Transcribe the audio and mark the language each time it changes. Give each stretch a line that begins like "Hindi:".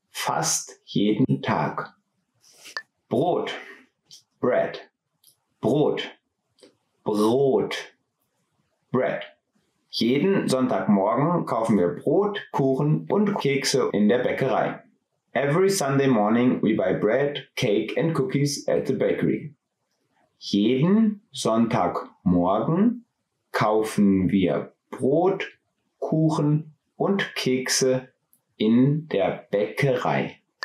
German: fast jeden Tag. Brot, bread. Brot, Brot, bread. Jeden Sonntagmorgen kaufen wir Brot, Kuchen und Kekse in der Bäckerei.
English: Every Sunday morning we buy bread, cake and cookies at the bakery.
German: Jeden Sonntagmorgen kaufen wir Brot, Kuchen und Kekse in der Bäckerei.